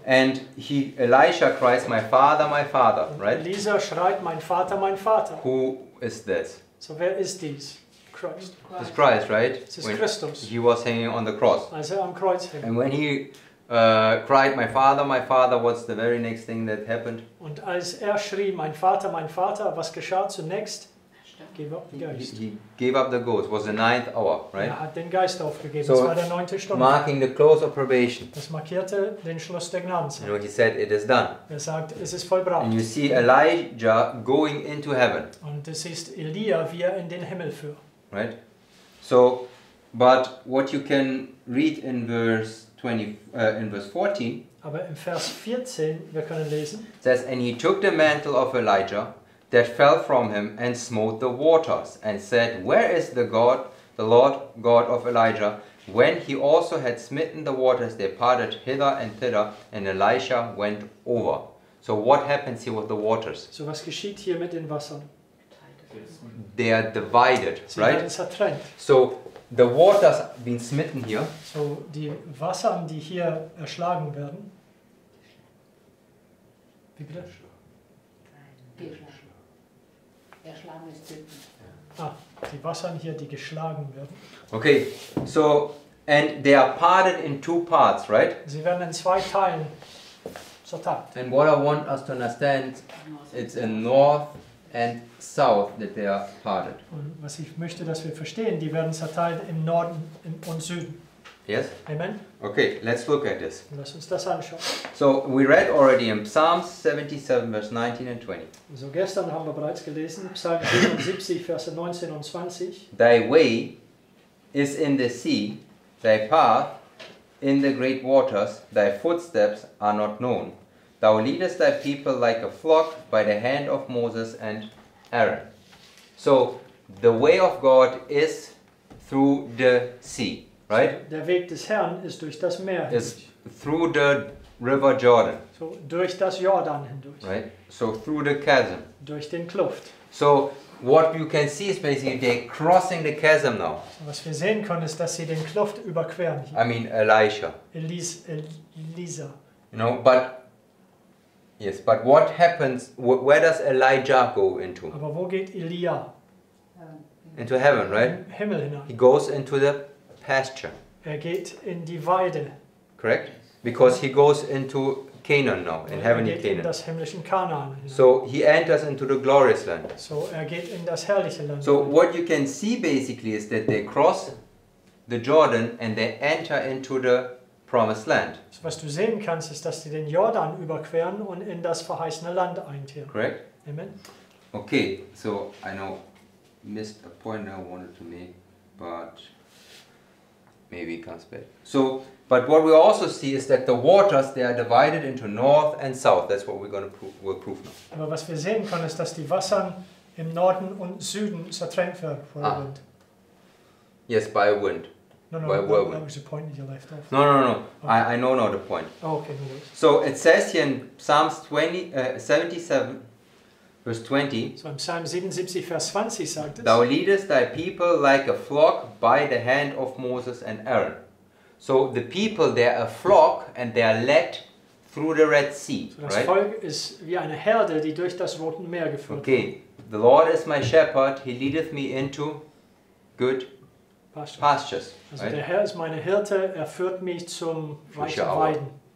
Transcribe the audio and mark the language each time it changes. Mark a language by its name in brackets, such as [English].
[English] And he, Elisha cries, my father, right? [German] Elisa schreit, mein Vater, [English] who is this? [German] So wer ist dies? Christ. [English] It's Christ, right? It's Christus. He was hanging on the cross. [German] Als am Kreuz hing. [English] And when he cried, my father, what's the very next thing that happened? [German] Und als schrie, mein Vater, was geschah zunächst? [English] He gave up the ghost. It was the ninth hour, right? [German] Er hat den Geist aufgegeben. So es war der neunte Stunde. [English] Marking the close of probation. [German] Das markierte den Schluss der Gnadenzeit. [English] You know, he said, it is done. [German] Er sagt, es ist vollbracht. [English] And you see Elijah going into heaven. [German] Und du siehst Elia, wie er in den Himmel führt. [English] Right? So, but what you can read in verse 14. [German] Aber im Vers 14, wir können lesen. [English] Says, and he took the mantle of Elijah that fell from him and smote the waters and said, where is the God, the Lord God of Elijah? When he also had smitten the waters, they parted hither and thither, and Elisha went over. So what happens here with the waters? [German] So was geschieht hier mit den Wassern? [English] they are divided, [German] sie [English] right? [German] Zertrennt. [English] So the waters being smitten here. [German] So die Wassern, die hier erschlagen werden. Wie bitte? Erschlagen. Ah, die Wassern hier, die geschlagen werden. [English] Okay, so and they are parted in two parts, right? [German] Sie werden in zwei Teilen zerteilt. [English] And what I want us to understand, it's in north and south that they are parted. [German] Und was ich möchte, dass wir verstehen, die werden zerteilt im Norden und Süden. [English] Yes? Amen. Okay, let's look at this. [German] Lass uns das anschauen. [English] So we read already in Psalms 77, verse 19 and 20. [German] So gestern haben wir bereits gelesen, Psalm 77, Verse 19 und 20. [English] Thy way is in the sea, thy path in the great waters, thy footsteps are not known. Thou leadest thy people like a flock by the hand of Moses and Aaron. So the way of God is through the sea. Right? So, [German] der Weg des Herrn ist durch das Meer hindurch. [English] Through the river Jordan. [German] So durch das Jordan hindurch. [English] Right? So through the chasm. [German] Durch den Kluft. [English] So what you can see is basically they're crossing the chasm now. So, [German] was wir sehen können ist, dass sie den Kluft überqueren. Hier. [English] I mean Elisha. [German] Elisa. [English] You know, but yes, but what happens? Where does Elijah go into? [German] Aber wo geht Elia? [English] Into heaven, right? [German] Im Himmel hinein. [English] He goes into the pasture. [German] Er geht in die Weide. [English] Correct? Because he goes into Canaan now, in heavenly Canaan. [German] In das himmlischen Kanaan. [English] So he enters into the glorious land. [German] So er geht in das herrliche Land. [English] So what you can see basically is that they cross the Jordan and they enter into the promised land. [German] So was du sehen kannst ist, dass sie den Jordan überqueren und in das verheißene Land eintreten. [English] Correct? Amen. Okay, so I know missed a point I wanted to make, but maybe it comes back. So, but what we also see is that the waters, they are divided into north and south. That's what we're going to prove now. [German] Aber was wir sehen können, ist, dass die Wasser im Norden und Süden zertrennt werden von der Wind. [English] Yes, by wind. No, by whirlwind. That was the point that you left off. No. Okay. I know now the point. Oh, okay, no worries. So it says here in Psalms 77, verse 20. [German] So in Psalm 77, verse 20 sagt es. [English] Thou leadest thy people like a flock by the hand of Moses and Aaron. So the people, they are a flock and they are led through the Red Sea. So das right? [German] Volk ist wie eine Herde, die durch das Rote Meer geführt [English] okay. [German] wird. [English] Okay. The Lord is my shepherd, he leadeth me into good pastures. [German] Also [English] right? [German] Der Herr ist meine Hirte, er führt mich zum reichen Weiden.